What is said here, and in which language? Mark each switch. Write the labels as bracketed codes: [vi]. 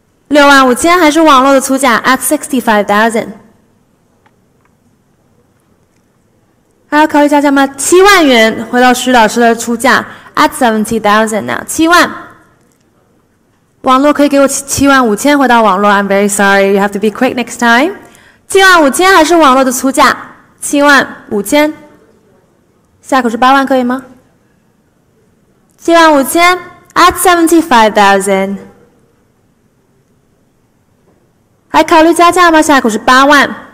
[zh] 65000还是网络的出价 [en] at 65000， [zh] 还要考虑加价吗？ 7万元，回到徐老师的出价 [en] at 70,000 now， [zh] 7万，网络可以给我75000回到网络。 [en] I'm very sorry, you have to be quick next time。 [zh] 75000还是网络的出价，75000，下口是8万，可以吗？ 75000 [en] at 75,000， [zh] 还考虑加价吗？下口是八万。